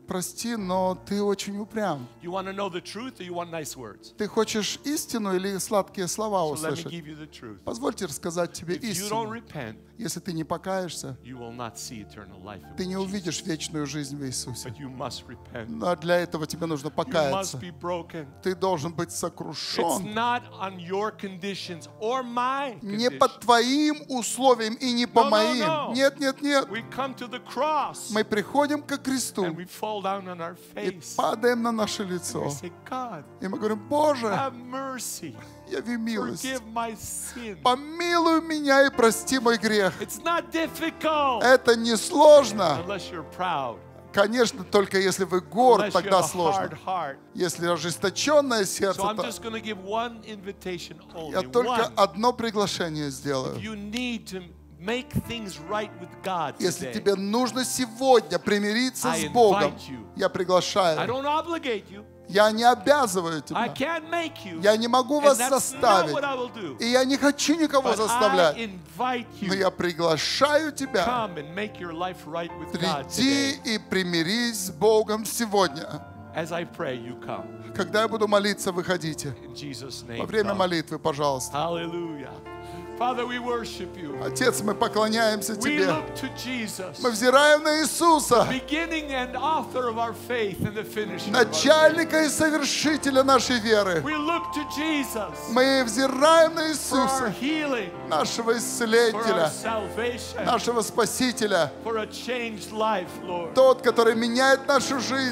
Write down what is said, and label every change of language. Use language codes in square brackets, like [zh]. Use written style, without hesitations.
[ru] Прости, но ты очень упрям. [en] You want to know the truth or you want nice words? [ru] Ты хочешь истину или сладкие слова услышать? [en] So let me give you the truth. [ru] Позвольте рассказать тебе истину. [en] If you don't repent, [ru] если ты не покаешься, [en] you will not see eternal life. [ru] Ты не увидишь вечную жизнь в Иисусе. [en] But you must repent. [ru] Но для этого тебе нужно покаяться. [en] You must be broken. [ru] Ты должен быть сокрушен. [en] It's not on your conditions or my conditions. [ru] Не под твоим условием и не по моим. [en] No. We come to the cross. [ru] Мы приходим ко кресту. [en] And we fall down on our face. [ru] И падаем на наше лицо. [en] And we say, God, [ru] и мы говорим, Боже, [en] have mercy. [ru] Яви милость. [en] Forgive my sin. [ru] Помилуй меня и прости мой грех. [en] It's not difficult. [ru] Это не сложно. [en] Unless you're proud. [ru] Конечно, только если вы горд, [en] unless [ru] тогда сложно. [en] Hard heart. [ru] Если ожесточенное сердце, [en] so I'm just gonna give one invitation only. [ru] Я только [en] one. [ru] Одно приглашение сделаю. [en] If you need to make things right with God today, [ru] если тебе нужно сегодня примириться с Богом, я приглашаю. [en] I don't obligate you. [ru] Я не обязываю тебя. [en] I can't make you. [ru] Я не могу вас заставить. [en] And that's not what I will do. [ru] И я не хочу никого [en] but [ru] заставлять. [en] I invite you. [ru] Но я приглашаю тебя. [en] Come and make your life right with God today. [ru] Приди и примирись с Богом сегодня. [en] As I pray, you come. [ru] Когда я буду молиться, выходите. [en] In Jesus' name, [ru] во время молитвы, пожалуйста. [en] Hallelujah. Father, we worship you. [ru] Отец, мы поклоняемся Тебе. [en] We look to Jesus, [ru] мы взираем на Иисуса, [en] the beginning and author of our faith and the finisher [ru] начальника [en] of our [ru] и совершителя нашей веры. [en] We look to Jesus, [ru] мы взираем на Иисуса, [en] for our healing, [ru] нашего исцелителя, [en] for our salvation, [ru] нашего спасителя, [en] for a changed life, Lord. [ru] Тот, который меняет нашу жизнь.